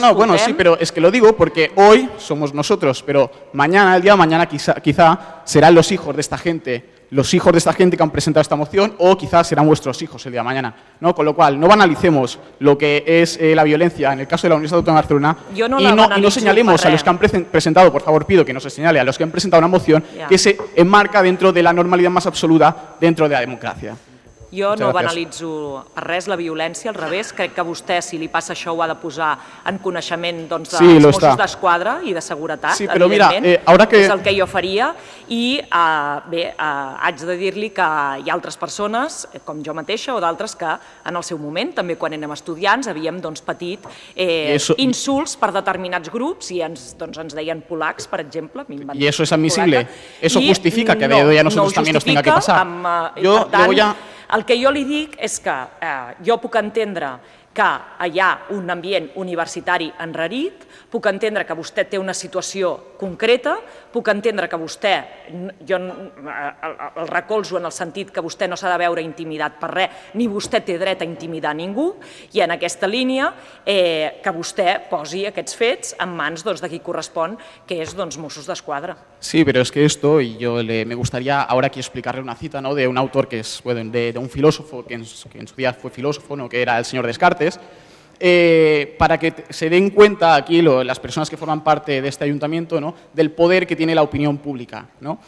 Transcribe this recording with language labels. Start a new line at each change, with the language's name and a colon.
Spanish: No, bueno, sí, pero es que lo digo porque hoy somos nosotros, pero mañana, el día de mañana, quizá serán los hijos de esta gente que han presentado esta moción, o quizá serán vuestros hijos el día de mañana. ¿No? Con lo cual, no banalicemos lo que es la violencia en el caso de la Universitat Autònoma de Barcelona y no señalemos a los que han presentado, por favor, pido que no se señale, a los que han presentado una moción que se enmarca dentro de la normalidad más absoluta dentro de la democracia.
Catalan: Jo no banalitzo per res la violència, al revés, crec que vostè, si li passa això, ho ha de posar en coneixement doncs, dels Mossos d'Esquadra i de Seguretat, sí, però evidentment, mira, ara que... és el que jo faria, i haig de dir-li que hi ha altres persones, com jo mateixa o d'altres, que en el seu moment, també quan érem estudiants, havíem doncs, patit insults per determinats grups, i ens deien polacs, per exemple. I això és admissible? Això justifica que no, a nosaltres també ens tinga que passar? Jo, per tant, el que jo li dic és que jo puc entendre que hi ha un ambient universitari enrarit, puc entendre que vostè té una situació concreta, puc entendre que vostè, jo el recolzo en el sentit que vostè no s'ha de veure intimidat per res, ni vostè té dret a intimidar ningú, i en aquesta línia que vostè posi aquests fets en mans doncs, de qui correspon, que és doncs, Mossos d'Esquadra.
Spanish: Sí, pero es que esto, y yo le, me gustaría ahora aquí explicarle una cita, ¿no? De un autor que es, bueno, de un filósofo, que en su día fue filósofo, ¿no? Que era el señor Descartes, para que se den cuenta aquí las personas que forman parte de este ayuntamiento, ¿no? Del poder que tiene la opinión pública, ¿no?